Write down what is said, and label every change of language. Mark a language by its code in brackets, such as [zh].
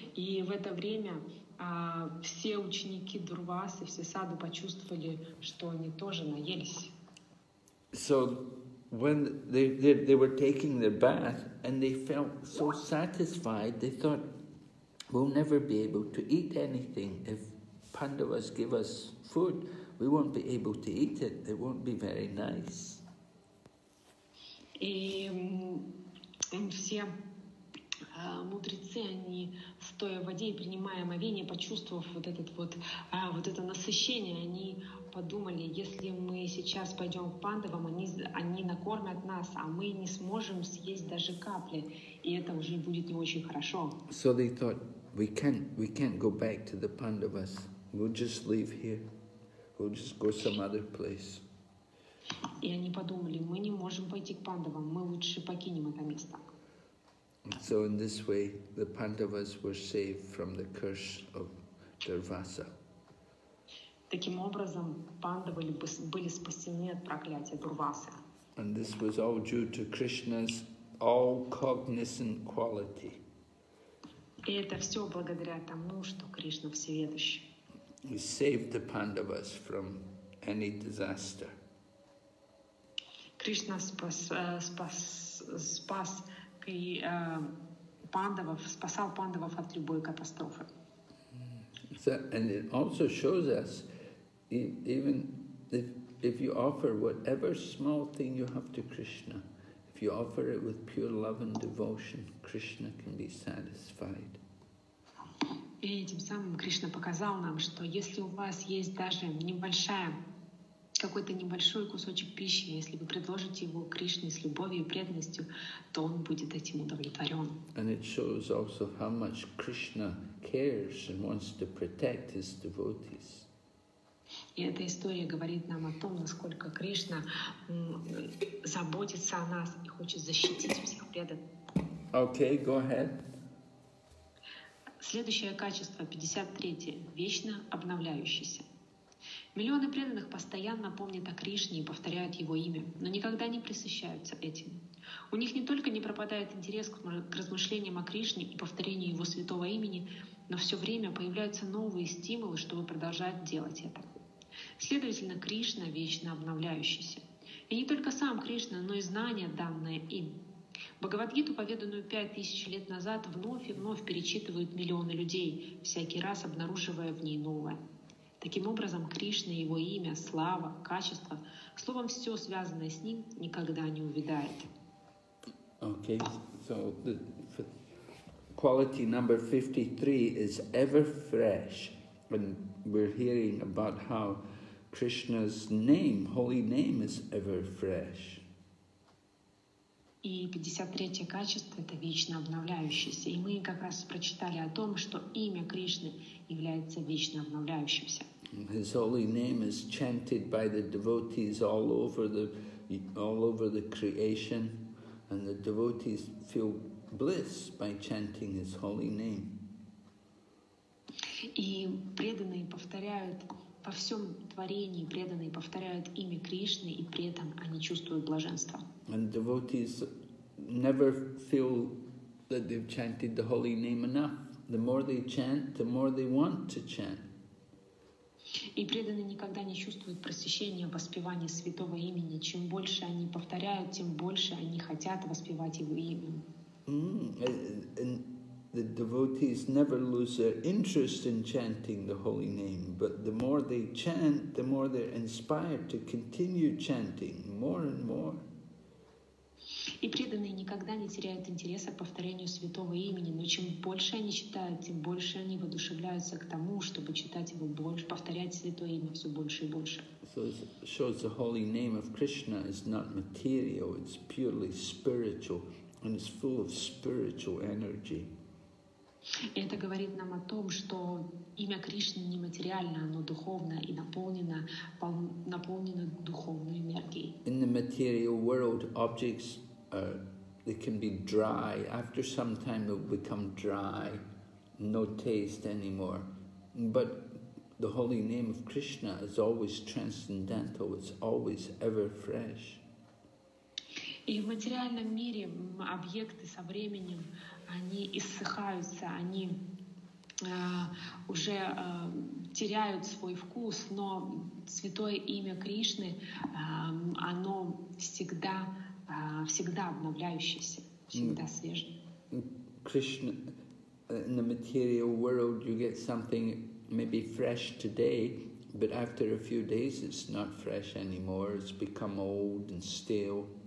[ru] И в это время все ученики Дурвасы, все саду почувствовали, что они тоже наелись. [en] So when they were taking their bath and they felt so satisfied, they thought, we'll never be able to eat anything. If Pandavas give us food, we won't be able to eat it. It won't be very nice. And [ru] все мудрецы, они, стоя в воде и принимая омовение, почувствовав вот этот вот, вот это насыщение, они подумали, если мы сейчас пойдем к пандавам, они накормят нас, а мы не сможем съесть даже капли, и это уже будет не очень хорошо. [en] So they thought, we can't go back to the Pandavas. We'll just leave here. We'll just go some other place. [ru] И они подумали, мы не можем пойти к пандавам, мы лучше покинем это место. [en] So in this way, the Pandavas were saved from the curse of Durvasa. [ru] Таким образом, пандавы были спасены от проклятия Дурвасы. [en] And this was all due to Krishna's all cognizant quality. [ru] И это все благодаря тому, что Кришна всеведущий. [en] He saved the Pandavas from any disaster. [ru] Кришна спасал пандавов от любой катастрофы. [en] So, and it also shows us, even if you offer whatever small thing you have to Krishna, if you offer it with pure love and devotion, Krishna can be satisfied. [ru] И этим самым Кришна показал нам, что если у вас есть даже небольшая, какой-то небольшой кусочек пищи, если вы предложите его Кришне с любовью и преданностью, то он будет этим удовлетворен. [en] And it shows also how much Krishna cares and wants to protect his devotees. [ru] И эта история говорит нам о том, насколько Кришна заботится о нас и хочет защитить всех преданных. [en] Okay, go ahead. [ru] Следующее качество, 53-е, вечно обновляющееся. Миллионы преданных постоянно помнят о Кришне и повторяют его имя, но никогда не присыщаются этим. У них не только не пропадает интерес к размышлениям о Кришне и повторению его святого имени, но все время появляются новые стимулы, чтобы продолжать делать это. Следовательно, Кришна вечно обновляющийся. И не только сам Кришна, но и знания, данные им. Бхагавадгиту, поведанную 5000 лет назад, вновь и вновь перечитывают миллионы людей, всякий раз обнаруживая в ней новое. Таким образом, Кришна, его имя, слава, качество, словом, все связанное с ним, никогда не увядает. [en] Okay, so the quality number 53 is ever fresh. And we're hearing about how Krishna's name, holy name, is ever fresh. [ru] И 53-е качество — это вечно обновляющееся. И мы как раз прочитали о том, что имя Кришны является вечно обновляющимся. [en] His holy name is chanted by the devotees all over the creation, and the devotees feel bliss by chanting his holy name. [ru] И преданные повторяют во всем творении, преданные повторяют имя Кришны, и при этом они чувствуют блаженство. [en] And devotees never feel that they've chanted the holy name enough. The more they chant, the more they want to chant. [ru] И преданные никогда не чувствуют просвещения в воспевании святого имени. Чем больше они повторяют, тем больше они хотят воспевать его имя. [en] And the devotees never lose their interest in chanting the holy name. But the more they chant, the more they're inspired to continue chanting more and more. [ru] И преданные никогда не теряют интереса к повторению святого имени, но чем больше они читают, тем больше они воодушевляются к тому, чтобы читать его больше, повторять святое имя все больше и больше. [en] So it shows the holy name of Krishna is not material, it's purely spiritual, and it's full of spiritual energy. [ru] И это говорит нам о том, что имя Кришны не материально, оно духовно и наполнено духовной энергией. [en] In the material world, objects they can be dry. After some time, they'll become dry, no taste anymore. But the holy name of Krishna is always transcendental. It's always ever fresh. [ru] И в материальном мире объекты со временем они иссыхаются, они уже теряют свой вкус, но святое имя Кришны, оно всегда, всегда обновляющееся, всегда свежее. [en] Krishna, in the material world, you get something maybe fresh today, but after a few days it's not fresh anymore, it's become old and stale.